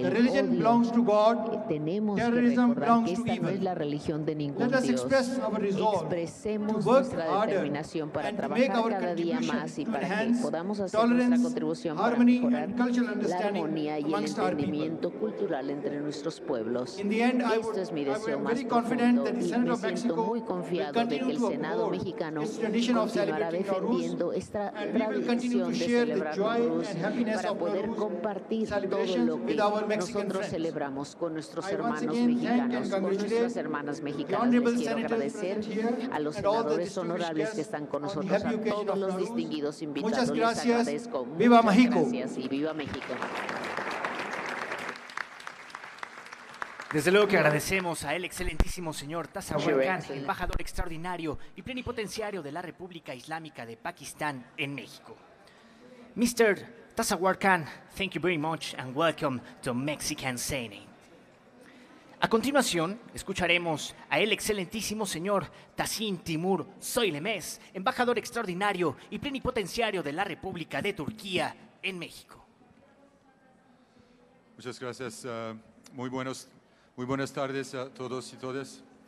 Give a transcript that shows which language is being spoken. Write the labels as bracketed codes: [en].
[en] The religion belongs to God. Terrorism belongs to evil. Let us express our resolve to work harder and to make our contribution to enhance tolerance, harmony and cultural understanding [es] y el entendimiento cultural entre nuestros pueblos. Esto es mi deseo más profundo y me siento muy confiado de que el Senado mexicano continuará defendiendo esta tradición de celebrar Nowruz para poder compartir todo lo que nosotros celebramos con nuestros hermanos mexicanos, con nuestras hermanas mexicanas. Les quiero agradecer a los senadores honorables que están con nosotros, a todos los distinguidos invitados. Muchas gracias. Les agradezco. ¡Viva México! Gracias y ¡viva México! Desde luego que agradecemos a el excelentísimo señor Tazawar Khan, embajador extraordinario y plenipotenciario de la República Islámica de Pakistán en México. Mr. [en] Tazahuarcan, thank you very much and welcome to Mexican Saining. [es] A continuación, escucharemos a el excelentísimo señor Tahsin Timur Soylemez, embajador extraordinario y plenipotenciario de la República de Turquía en México. Muchas gracias. Muy buenas tardes a todos y todas.